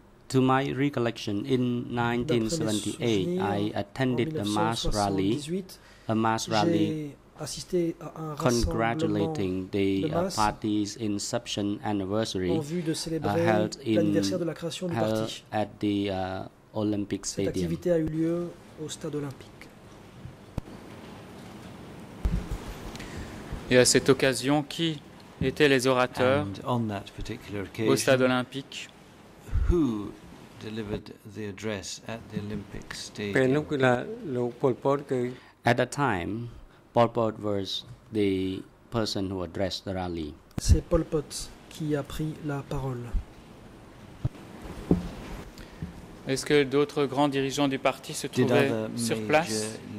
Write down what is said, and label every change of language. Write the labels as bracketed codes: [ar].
[en] To my recollection, in 1978, I attended a mass rally congratulating the party's inception anniversary held at the Olympic Stadium. [fr] Cette activité a eu lieu au Stade Olympique. Et à cette occasion, qui étaient les orateurs au Stade Olympique? [en] Who delivered the address at the Olympic Stadium? At the time, Pol Pot was the person who addressed the rally. [fr] C'est Pol Pot qui a pris la parole. Est-ce que d'autres grands dirigeants du parti se trouvaient sur place?